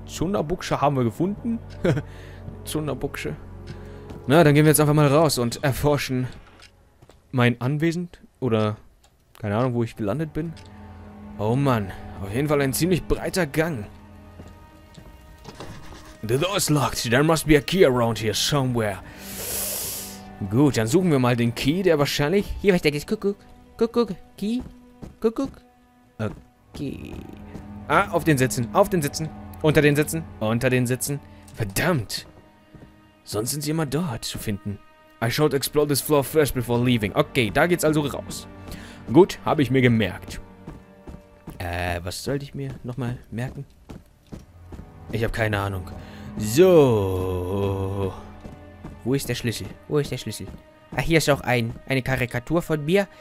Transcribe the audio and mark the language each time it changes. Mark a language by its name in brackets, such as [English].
[German] Zunderbuchse haben wir gefunden. Zunderbuchse. Na, dann gehen wir jetzt einfach mal raus und erforschen... mein Anwesen oder keine Ahnung, wo ich gelandet bin. Oh Mann, auf jeden Fall ein ziemlich breiter Gang. [English] The door is locked. There must be a key around here somewhere. [German] Gut, dann suchen wir mal den Key, der wahrscheinlich... Hier, was denkst du? Kuckuck. Kuckuck. Key. Kuckuck. Okay. Ah, auf den Sitzen. Auf den Sitzen. Unter den Sitzen. Unter den Sitzen. Verdammt. Sonst sind sie immer dort zu finden. [English] I should explore this floor first before leaving. [German] Okay, da geht's also raus. Gut, habe ich mir gemerkt. Was sollte ich mir nochmal merken? Ich habe keine Ahnung. So. Wo ist der Schlüssel? Wo ist der Schlüssel? Ah, hier ist auch eine Karikatur von mir.